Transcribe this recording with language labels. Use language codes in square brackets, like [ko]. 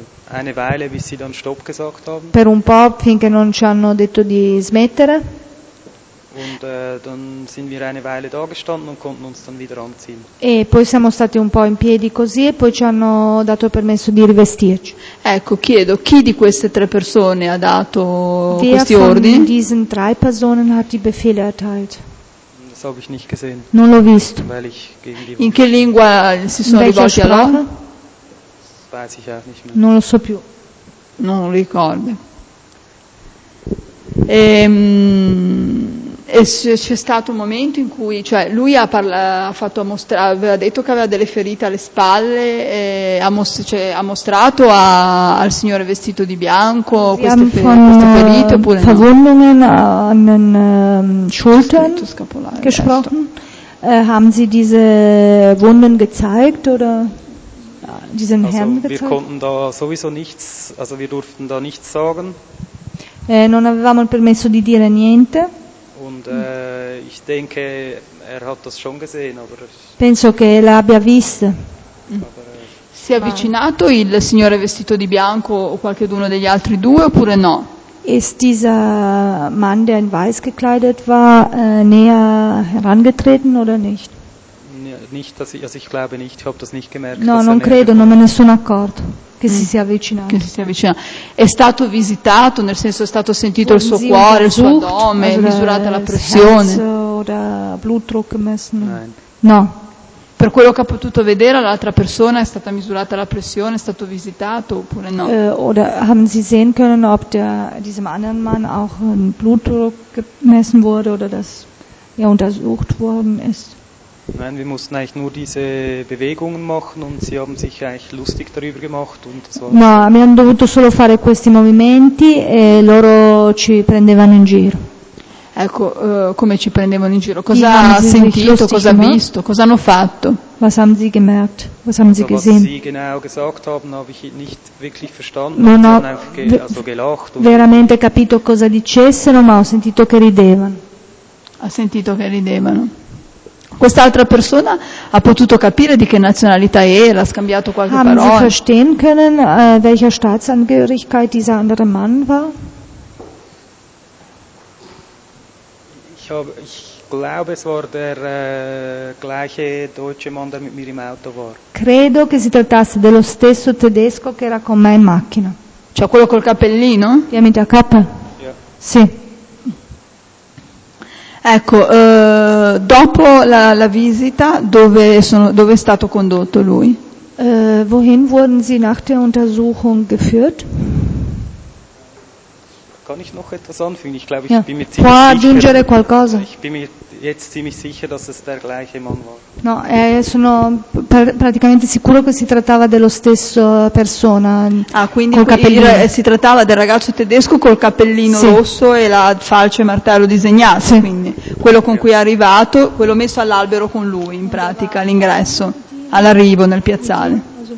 [de] Eine Weile, bis sie dann Stopp gesagt haben. [it] Per un po', finché non ci hanno detto di smettere. [de] Und dann sind wir eine Weile da gestanden und konnten uns dann wieder anziehen. [it] E poi siamo stati un po' in piedi così e poi ci hanno dato permesso di rivestirci. Ecco, chiedo, chi di queste tre persone ha dato [de] Wer [it] questi ordini? [de] Von diesen drei Personen hat die Befehle erteilt? Das habe ich nicht gesehen. [it] Non l'ho visto. [de] Weil ich gegen die [it] in che lingua si sono rivolti a loro? [de] Weiß ich auch nicht mehr. [it] Non lo so più. Non lo ricordo. C'è stato un momento in cui, cioè, lui aveva detto che aveva delle ferite alle spalle, ha mostrato al signore vestito di bianco queste ferite oppure no? [de] Verwundungen an den Schultern gesprochen. Haben Sie diese Wunden gezeigt oder diesen Herrn gezeigt? Also, wir konnten da sowieso nichts, also wir durften da nichts sagen. [it] Non avevamo il permesso di dire niente. [de] Und ich denke, er hat das schon gesehen, aber [it] penso che l'abbia visto. Si è avvicinato il signore vestito di bianco o qualcuno degli altri due oppure no? [de] Ist dieser Mann, der in weiß gekleidet war, näher herangetreten oder nicht? Nicht, dass ich, also ich glaube nicht, ich habe das nicht gemerkt. [it] No, non credo, non me ne sono accorto. Che si sia avvicinato. Che si sia avvicinato. È stato visitato, nel senso è stato sentito Wollen il suo cuore, il suo addome, misurata la pressione. [de] Oder Blutdruck gemessen? Nein. [it] No. Per quello che ha potuto vedere, l'altra persona è stata misurata la pressione, è stato visitato oppure no? [de] Oder haben Sie sehen können, ob diesem anderen Mann auch ein Blutdruck gemessen wurde oder dass er untersucht worden ist? Nein, wir mussten eigentlich nur diese Bewegungen machen und sie haben sich eigentlich lustig darüber gemacht und das war. [it] No, abbiamo dovuto solo fare questi movimenti e loro ci prendevano in giro. Ecco, come ci prendevano in giro? Cosa ha sentito? Cosa ha visto? Cosa hanno fatto? [de] Was haben Sie gemerkt? Was haben Sie gesehen? Was Sie genau gesagt haben, habe ich nicht wirklich verstanden. [it] Non ho gelacht. Veramente capito cosa dicessero, ma ho sentito che ridevano. Ha sentito che ridevano. Quest'altra persona ha potuto capire di che nazionalità era, ha scambiato qualche [de] Haben [it] parola. [de] Sie verstehen können, welcher Staatsangehörigkeit dieser andere Mann war? Ich glaube, es war der gleiche deutsche Mann, der mit mir im Auto war. [it] Credo che si trattasse dello stesso tedesco che era con me in macchina. Cioè quello col cappellino? [de] Ja, mit der Kappe. Sì. [it] Ecco, dopo la visita, dove è stato condotto lui? [de] Wohin wurden Sie nach der Untersuchung geführt? Kann ich noch etwas anfügen? Ich glaube, ich bin mir ziemlich sicher. [it] Può aggiungere qualcosa? [de] Ich bin mir jetzt ziemlich sicher, dass es der gleiche Mann war. [it] No, sono praticamente sicuro che si trattava dello stesso persona. Ah, quindi si trattava del ragazzo tedesco col cappellino rosso e la falce e martello disegnato, quindi quello con cui è arrivato, quello messo all'albero con lui, in pratica, all'ingresso, all'arrivo nel piazzale.